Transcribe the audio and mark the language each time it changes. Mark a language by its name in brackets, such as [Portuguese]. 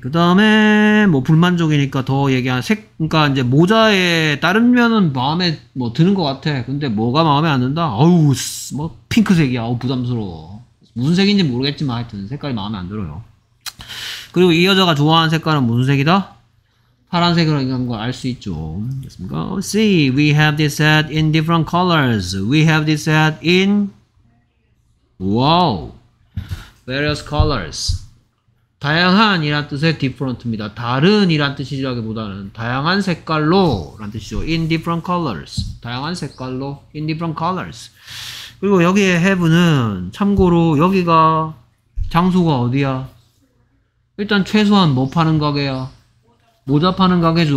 [Korean] 그 다음에 뭐 불만족이니까 더 얘기한 색. 그러니까 이제 모자에 다른 면은 마음에 뭐 드는 것 같아. 근데 뭐가 마음에 안 든다? 어우 뭐 핑크색이야. 어우 부담스러워. 무슨 색인지 모르겠지만 하여튼 색깔이 마음에 안 들어요. 그리고 이 여자가 좋아하는 색깔은 무슨 색이다? 파란색으로 이런 걸 알 수 있죠. 됐습니까? [English] See, we have this hat in different colors. We have this hat in, wow, various colors. [Korean] 다양한이란 뜻의 different입니다. 다른이란 뜻이라기보다는 다양한 색깔로란 뜻이죠. [English] In different colors. [Korean] 다양한 색깔로, [English] in different colors. [Korean] 그리고 여기에 have는 참고로 여기가 장소가 어디야? 일단 최소한 뭐 파는 가게야? 모자 파는 가게죠.